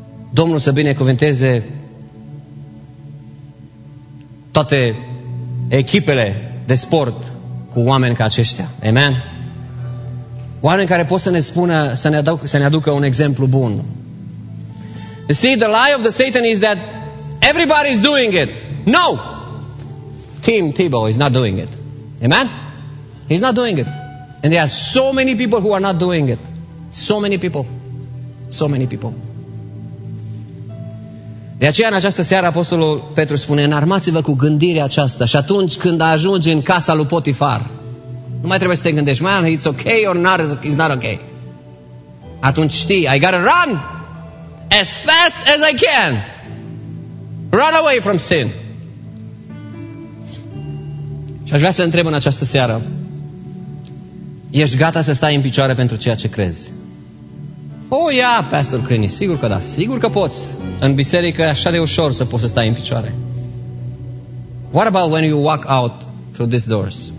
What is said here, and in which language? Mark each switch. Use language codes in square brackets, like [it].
[ro] Domnul să binecuvinteze toate echipele de sport cu oameni ca aceștia. Amen? Oameni care pot să ne spună, să ne aducă un exemplu bun. [en] You see, the lie of the Satan is that everybody is doing it. No! Tim Tebow is not doing it. Amen? He's not doing it. And there are so many people who are not doing it. So many people. So many people. [ro] De aceea, în această seară, Apostolul Petru spune, înarmați-vă cu gândirea aceasta și atunci când ajungi în casa lui Potifar, nu mai trebuie să te gândești, [en] man, it's okay or not, it's not okay. [ro] Atunci știi, [en] I gotta run as fast as I can. Run away from sin. [ro] Și aș vrea să întreb în această seară, ești gata să stai în picioare pentru ceea ce crezi? Oh, ia, yeah, Pastor Crini, sigur că da, sigur că poți. În biserică e așa de ușor să poți să stai în picioare. [en] What about when you walk out through these doors?